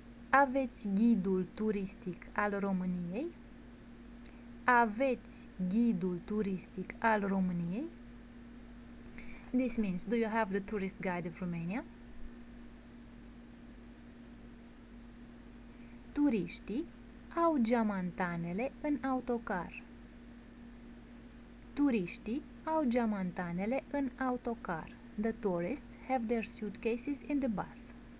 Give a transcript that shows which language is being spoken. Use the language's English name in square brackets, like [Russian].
[Romanian] Aveți ghidul turistic al României? Aveți ghidul turistic al României? [English] This means, do you have the tourist guide of Romania? [Romanian] Turiștii au geamantanele în autocar. Turiștii au geamantanele în autocar. [English] The tourists have their suitcases in the bus.